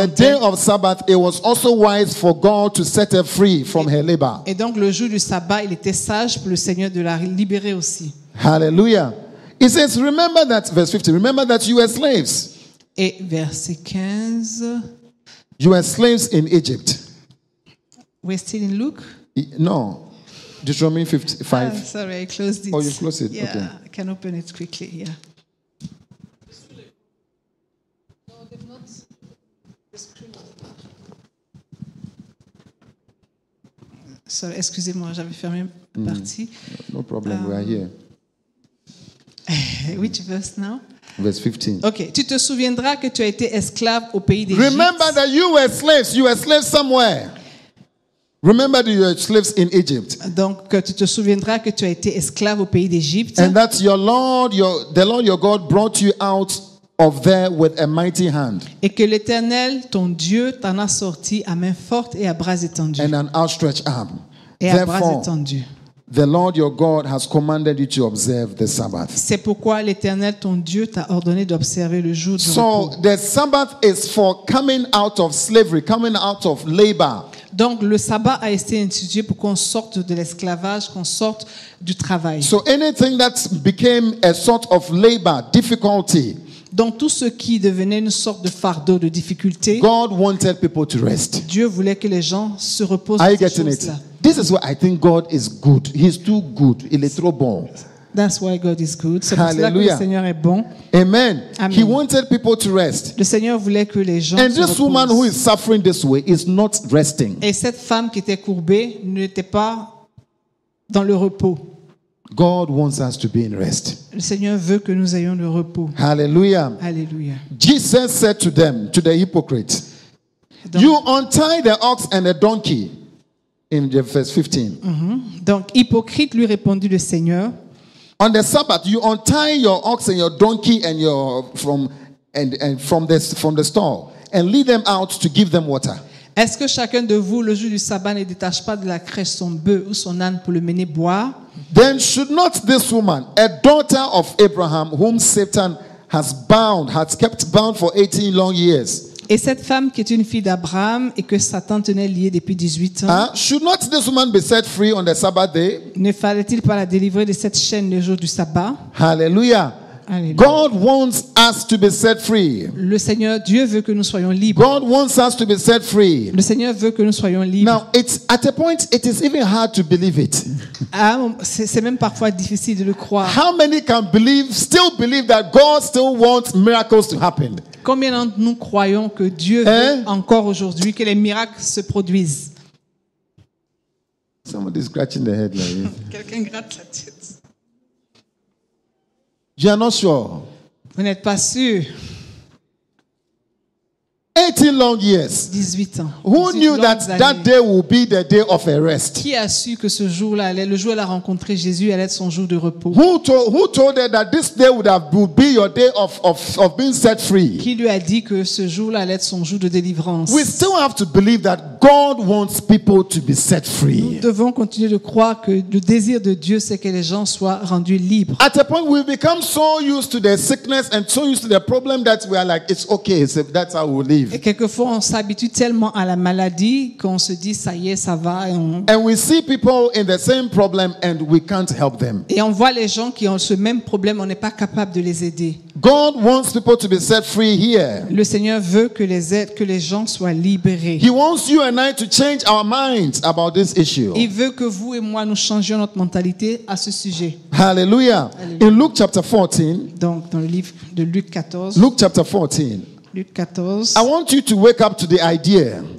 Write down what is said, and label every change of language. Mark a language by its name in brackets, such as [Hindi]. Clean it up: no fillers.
[English] On the day of Sabbath, it was also wise for God to set her free from her labor. [French] Et donc le jour du sabbat, il était sage pour le Seigneur de la libérer aussi. [English] Hallelujah. It says, remember that, verse 15, remember that you were slaves. [French] Et verset 15. [English] You were slaves in Egypt. We're still in Luke? No. Deuteronomy 55. Sorry, I closed it. Oh, you closed it. Yeah, okay. I can open it quickly, yeah. Sorry, [French] excusez-moi, j'avais fermé la partie. [English] No problem, we are here. Which verse now? Verse 15. [French] Okay, tu te souviendras que tu as été esclave au pays d'Égypte. [English] Remember that you were slaves. You were slaves somewhere. Remember that you were slaves in Egypt. [French] Donc, tu te souviendras que tu as été esclave au pays d'Égypte. [English] And that your Lord, the Lord your God, brought you out of there with a mighty hand. [French] Et que l'Éternel, ton Dieu, t'en a sorti à main forte et à bras étendus. [English] And an outstretched arm. [French] Et à bras étendus. [English] The Lord your God has commanded you to observe the Sabbath. [French] C'est pourquoi l'Éternel, ton Dieu, t'a ordonné d'observer le jour du repos. [English] So the Sabbath is for coming out of slavery, coming out of labor. [French] Donc le sabbat a été institué pour qu'on sorte de l'esclavage, qu'on sorte du travail. [English] So anything that became a sort of labor, difficulty. [French] Donc tout ce qui devenait une sorte de fardeau, de difficulté. [English] God wanted people to rest. [French] Dieu voulait que les gens se reposent. [English] Are you getting it? This is why I think God is good. He's too good. [French] Il est trop bon. [English] That's why God is good. [French] C'est pour cela que le Seigneur est bon. [English] Amen. Amen. He wanted people to rest. [French] Le Seigneur voulait que les gens [English] And this [French] reposent. [English] Woman who is suffering this way is not resting. [French] Et cette femme qui était courbée n'était pas dans le repos. [English] God wants us to be in rest. [French] Le Seigneur veut que nous ayons le repos. [English] Hallelujah. Hallelujah. Jesus said to them, to the hypocrites, you untie the ox and the donkey. In the verse 15. [French] Donc, hypocrite lui répondit le Seigneur. [English] On the Sabbath, you untie your ox and your donkey and your from the stall and lead them out to give them water. [French] Est-ce que chacun de vous, le jour du sabbat, ne détache pas de la crèche son bœuf ou son âne pour le mener boire? [English] Then should not this woman, a daughter of Abraham, whom Satan has bound, has kept bound for 18 long years? [French] Et cette femme qui est une fille d'Abraham et que Satan tenait liée depuis 18 ans. [English] Should not this woman be set free on the Sabbath day? [French] Ne fallait-il pas la délivrer de cette chaîne le jour du sabbat? [English] Hallelujah. [French] Alléluia. [English] God wants us to be set free. [French] Le Seigneur Dieu veut que nous soyons libres. [English] God wants us to be set free. [French] Le Seigneur veut que nous soyons libres. [English] Now it's at a point it is even hard to believe it. [French] C'est même parfois difficile de le croire. [English] How many can still believe that God still wants miracles to happen? [French] Combien d'entre nous croyons que Dieu veut encore aujourd'hui que les miracles se produisent? [English] Somebody is scratching their head like this. [French] Quelqu'un gratte la tête. [English] You are not sure. [French] Vous n'êtes pas sûr. [English] 18 long years. [French] 18 ans. [English] Who knew that day would be the day of rest? [French] Qui a su que ce jour-là, le jour où elle a rencontré Jésus, allait être son jour de repos? [English] Who told her that this day would be your day of being set free? [French] Qui lui a dit que ce jour-là allait être son jour de délivrance? [English] We still have to believe that God wants people to be set free. [French] Nous devons continuer de croire que le désir de Dieu c'est que les gens soient rendus libres. [English] At a point we become so used to the sickness and so used to the problem that we are like it's okay, that's how we live. [French] Et quelquefois, on s'habitue tellement à la maladie qu'on se dit, ça y est, ça va. [English] And we see people in the same problem and we can't help them. [French] Et on voit les gens qui ont ce même problème, on n'est pas capable de les aider. [English] God wants people to be set free here. [French] Le Seigneur veut que les gens soient libérés. [English] He wants you and I to change our minds about this issue. [French] Il veut que vous et moi nous changions notre mentalité à ce sujet. [English] Hallelujah. In Luke chapter 14. [French] Donc dans le livre de Luc 14. [English] Luke chapter 14. Luke 14. I want you to wake up to the idea.